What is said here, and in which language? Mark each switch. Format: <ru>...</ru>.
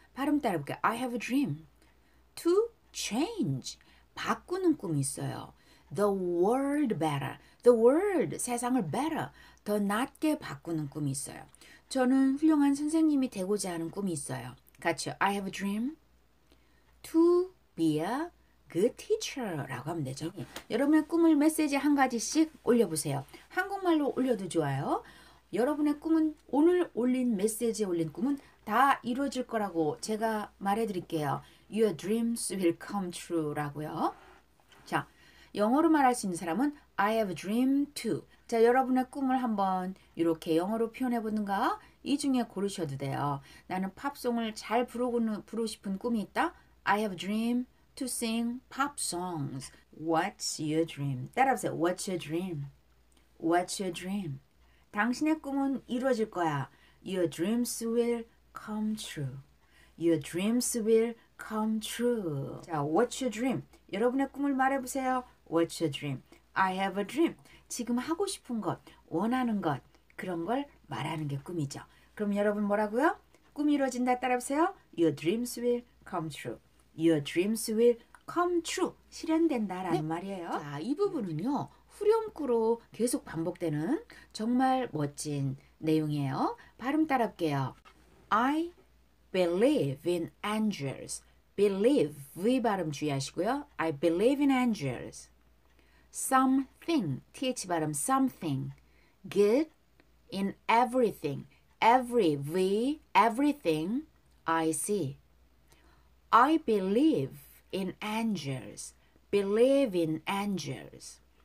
<ko>발음 따라 해볼게요.</ko> <en>I have a dream to change.</en> <ko>바꾸는 꿈이 있어요.</ko> <en>The world better. The world, 세상을 better.</en> <ko>더 낫게 바꾸는 꿈이 있어요. 저는 훌륭한 선생님이 되고자 하는 꿈이 있어요. 같이요.</ko> <en>I have a dream to be a good teacher</en> <ko>라고 하면 되죠. 네. 여러분의 꿈을 메시지 한 가지씩 올려보세요. 한국말로 올려도 좋아요. 여러분의 꿈은 오늘 올린 메시지에 올린 꿈은 다 이루어질 거라고 제가 말해드릴게요.</ko> <en>Your dreams will come true</en> <ko>라고요. 자, 영어로 말할 수 있는 사람은</ko> <en>I have a dream too.</en> <ko>자, 여러분의 꿈을 한번 이렇게 영어로 표현해보는가? 이 중에 고르셔도 돼요. 나는 팝송을 잘 부르고 싶은 꿈이 있다.</ko> <en>I have a dream to sing pop songs. What's your dream?</en> <ko>따라하세요.</ko> <en>What's your dream? What's your dream?</en> <ko>당신의 꿈은 이루어질 거야.</ko> <en>Your dreams will come true. Your dreams will come true. 자, what's your dream?</en> <ko>여러분의 꿈을 말해보세요.</ko> <en>What's your dream? I have a dream.</en> <ko>지금 하고 싶은 것, 원하는 것, 그런 걸 말하는 게 꿈이죠. 그럼 여러분 뭐라고요? 꿈이 이루어진다. 따라하세요.</ko> <en>Your dreams will come true. Your dreams will come true.</en> <ko>실현된다라는 네. 말이에요. 자, 이 부분은요. 후렴구로 계속 반복되는 정말 멋진 내용이에요. 발음 따라 할게요.</ko> <en>I believe in angels.</en> <ko>Believe, V 발음 주의하시고요.</ko> <en>I believe in angels. Something, TH 발음, something. Good in everything. Every, V, everything, I see. I believe in angels. Believe in angels.</en>